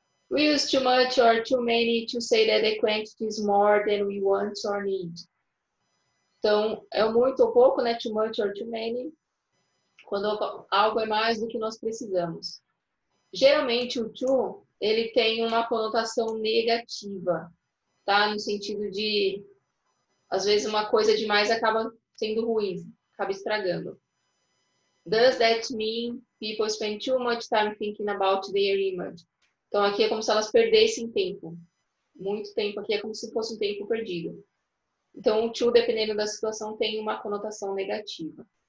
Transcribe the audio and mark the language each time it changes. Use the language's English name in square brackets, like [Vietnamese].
[English] We use too much or too many to say that the quantity is more than we want or need. [Portuguese] Então, é muito ou pouco, né? [English] Too much or too many. [Portuguese] Quando algo é mais do que nós precisamos. Geralmente, o too, ele tem uma conotação negativa, tá? No sentido de, às vezes, uma coisa demais acaba sendo ruim, acaba estragando. [English] Does that mean people spend too much time thinking about their image? [Portuguese] Então, aqui é como se elas perdessem tempo. Muito tempo aqui é como se fosse um tempo perdido. Então, o to, dependendo da situação, tem uma conotação negativa.